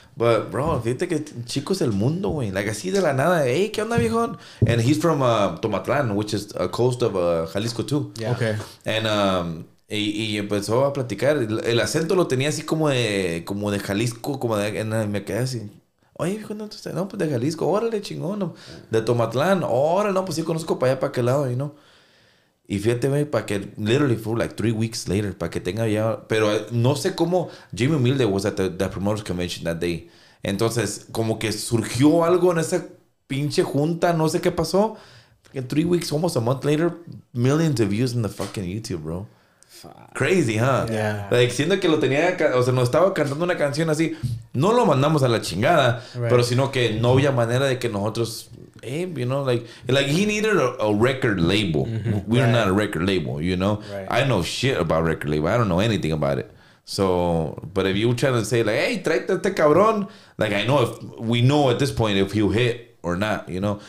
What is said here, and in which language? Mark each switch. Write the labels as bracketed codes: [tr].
[es] But, bro, fíjate que chico es el mundo, güey. Like, así de la nada. Hey, ¿qué onda, viejo? [en] And he's from Tomatlán, which is a coast of Jalisco, too. Yeah. Okay. [es] And empezó a platicar. El acento lo tenía así como de Jalisco. Me quedé así. Oye, viejo, ¿dónde estás? No, pues de Jalisco. Órale, chingón. De Tomatlán. Órale, no, pues sí, conozco para allá, para aquel lado, [en] you know? [es] Y fíjate, güey, para que... [en] Literally, for like 3 weeks later, [es] para que tenga ya... Pero no sé cómo... [en] Jimmy Humilde was at the promoters convention that day. [es] Entonces, como que surgió algo en esa pinche junta. No sé qué pasó. [en] Like 3 weeks, almost a month later, millions of views in the fucking YouTube, bro. Crazy, huh? Yeah. [es] Like, siendo que lo tenía... O sea, nos estaba cantando una canción así. No lo mandamos a la chingada. Right. Pero sino que no había manera de que nosotros... [en] Hey, you know, like he needed a record label. Mm-hmm. We're not a record label, you know. Right. I know shit about record label. I don't know anything about it. So, but if you trying to say like, hey, [es] tráete este cabrón, [en] like I know if we know at this point if he'll hit or not, you know.